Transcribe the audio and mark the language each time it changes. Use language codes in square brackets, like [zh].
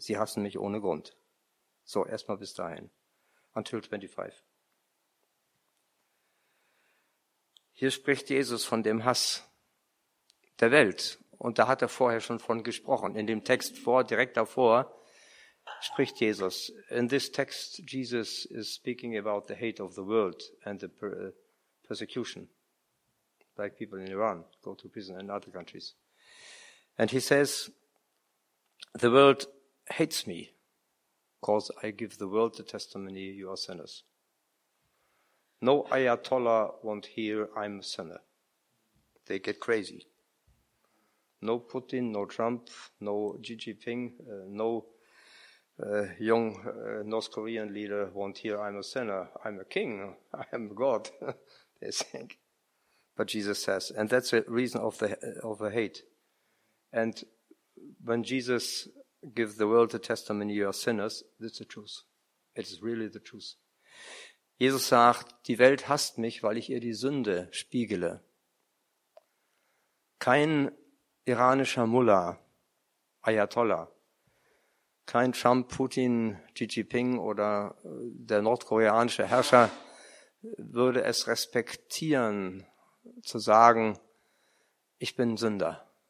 [de] Sie hassen mich ohne Grund. So, erstmal bis dahin. [en] Until 25. [de] Hier spricht Jesus von dem Hass der Welt. Und da hat er vorher schon von gesprochen. In dem Text vor, direkt davor, spricht Jesus. [en] In this text, Jesus is speaking about the hate of the world and the persecution. Like people in Iran go to prison and other countries. And he says, the world hates me because I give the world the testimony you are sinners. No Ayatollah won't hear I'm a sinner. They get crazy. No Putin, no Trump, no Xi Jinping, no young North Korean leader won't hear I'm a sinner, I'm a king, I am God, they think. But Jesus says, and that's the reason of the hate. And when Jesus gives the world the testimony, you are sinners, that's the truth. It is really the truth. [de] Jesus sagt, die Welt hasst mich, weil ich ihr die Sünde spiegele. Kein iranischer Mullah, Ayatollah, kein Trump, Putin, Xi Jinping oder der nordkoreanische Herrscher würde es respektieren, zu sagen, ich bin Sünder.